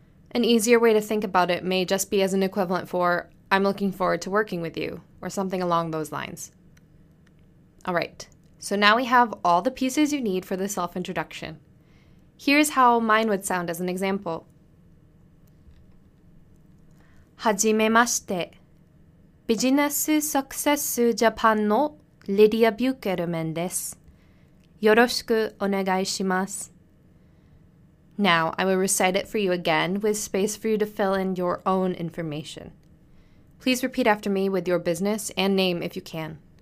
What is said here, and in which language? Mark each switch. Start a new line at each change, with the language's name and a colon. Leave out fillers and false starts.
English: An easier way to think about it may just be as an equivalent for, I'm looking forward to working with you, or something along those lines. All right, so now we have all the pieces you need for the self-introduction. Here's how mine would sound as an example.
Japanese: Hajimemashite. ビジネスサクセスジャパンのリディア・ビューケルメンです。よろしくお願いします。
English: Now, I will recite it for you again with space for you to fill in your own information. Please repeat after me with your business and name if you can.